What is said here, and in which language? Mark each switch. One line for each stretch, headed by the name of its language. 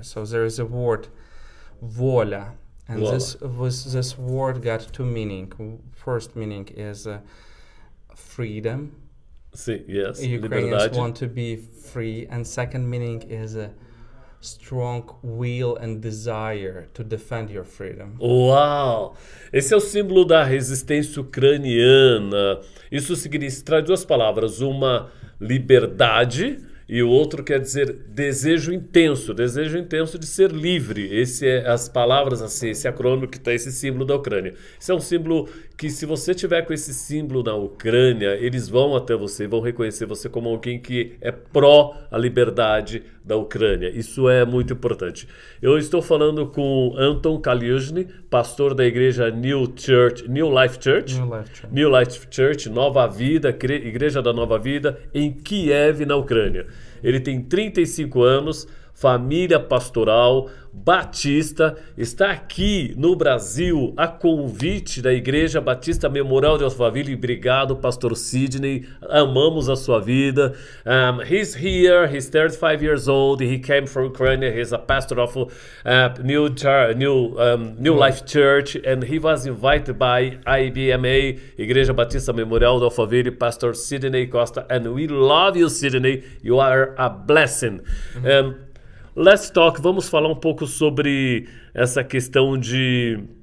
English: So there is a word, Vola. And this word got two meanings. First meaning is freedom. See, yes, Ukrainians
Portuguese: liberdade.
English: Want to be free. And second meaning is a strong will and desire to defend your freedom.
Portuguese: Uau! Esse é o símbolo da resistência ucraniana. Isso significa, traz duas palavras, uma liberdade e o outro quer dizer desejo intenso de ser livre. Esse é as palavras, assim, esse acrônimo que tem esse símbolo da Ucrânia. Esse é um símbolo que se você tiver com esse símbolo na Ucrânia, eles vão até você, vão reconhecer você como alguém que é pró a liberdade da Ucrânia. Isso é muito importante. Eu estou falando com Anton Kaluzhny, pastor da igreja New Life Church, Nova Vida, Igreja da Nova Vida, em Kiev, na Ucrânia. Ele tem 35 anos, família pastoral, batista, está aqui no Brasil a convite da Igreja Batista Memorial de Alphaville. Obrigado, Pastor Sidney, amamos a sua vida.
English: He's here, he's 35 years old, he came from Ukraine, he's a pastor of New Life Church, and he was invited by IBMA, Igreja Batista Memorial de Alphaville, Pastor Sidney Costa, and we love you, Sidney, you are a blessing. Let's talk,
Portuguese: vamos falar um pouco sobre essa questão de...